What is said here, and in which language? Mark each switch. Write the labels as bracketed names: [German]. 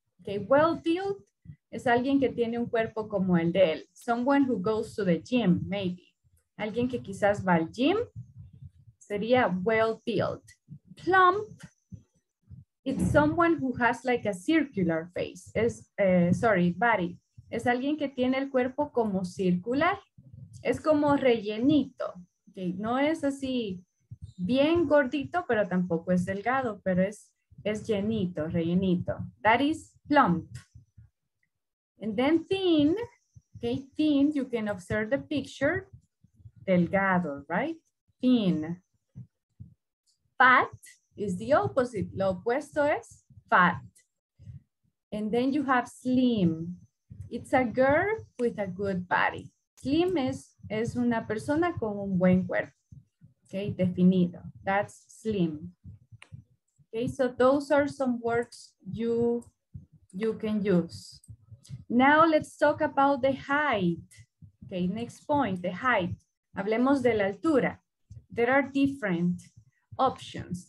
[Spanish] Okay, well-built es alguien que tiene un cuerpo como el de él. [English] Someone who goes to the gym, maybe. [Spanish] Alguien que quizás va al gym sería well-built. [English] Plump, it's someone who has like a circular face. Body. [Spanish] Es alguien que tiene el cuerpo como circular. Es como rellenito. Okay, no es así. Bien gordito, pero tampoco es delgado, pero es llenito, rellenito. [English] That is plump. And then thin, okay, thin, you can observe the picture. Delgado, right? Thin. Fat is the opposite. [Spanish] Lo opuesto es [English] fat. And then you have slim. It's a girl with a good body. [Spanish] Slim es una persona con un buen cuerpo. [English] Okay, definido. That's slim. Okay, so those are some words you can use. Now let's talk about the height. Okay, next point, the height. [Spanish] Hablemos de la altura. [English] There are different options.